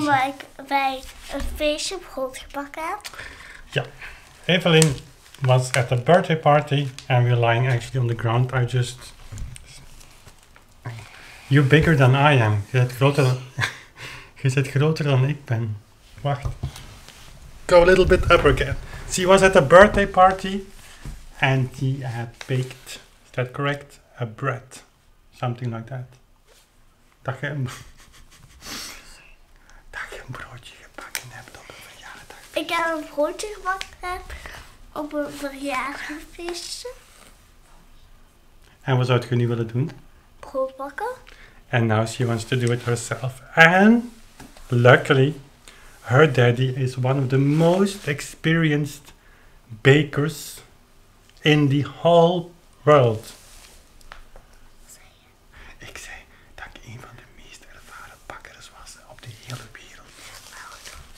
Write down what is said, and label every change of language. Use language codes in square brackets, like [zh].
[nl] Omdat ik bij een feestje brood gebakken heb. Ja. [en] Evelien was at the birthday party and we're lying actually on the ground. I just... You're bigger than I am. [nl] Je bent groter dan ik ben. Wacht. [en] Go a little bit up again. She was at a birthday party and she had baked, is that correct? A bread. Something like that. [nl] Dat je een broodje gebakken hebt op een verjaardag. Ik heb een broodje gebakken op een verjaardagfeestje. En wat zou je nu willen doen? Brood bakken. [en] And now she wants to do it herself. And luckily, her daddy is one of the most experienced bakers in the whole world. [nl] Ik zei dat ik een van de meest ervaren bakkers was op de hele wereld.